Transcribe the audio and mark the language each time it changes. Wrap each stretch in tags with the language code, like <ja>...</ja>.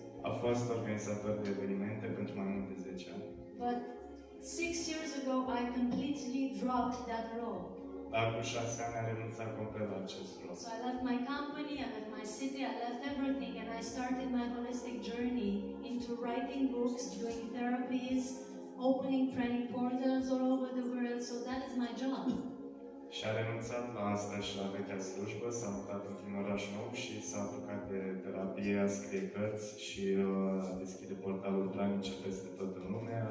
<ro>A fost organizator de evenimente pentru mai mult de 10 ani.</ro> <en>But 6 years ago I completely dropped that role.</en> <ro>Dar cu 6 ani am renunțat complet la acest rol.</ro> <en>So I left my company, I left my city, I left everything and I started my holistic journey into writing books, doing therapies, opening training portals all over the world. So that is my job.</en> <ro>Și a renunțat la asta și la vechea slujbă, s-a mutat într-un oraș nou și s-a apucat de terapie, a scrie cărți și deschide portalul Pranic peste toată lumea.</ro>